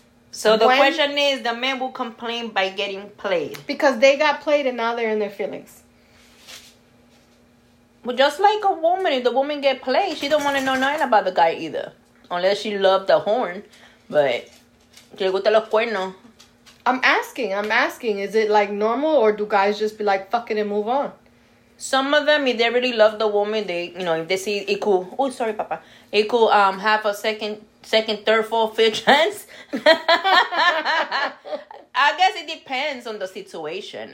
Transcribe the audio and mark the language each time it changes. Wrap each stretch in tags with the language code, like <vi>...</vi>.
<en>so the question is, the men will complain by getting played. Because they got played and now they're in their feelings. Well, just like a woman, if the woman get played, she don't want to know nothing about the guy either. Unless she loved the horn. But,</en> <es>¿te gusta los cuernos?</es> <en>I'm asking. Is it like normal or do guys just be like, fuck it and move on? Some of them, if they really love the woman, they, you know, if they see it could, oh, sorry, papa. It could have a second, third, fourth, fifth chance. I guess it depends on the situation.</en>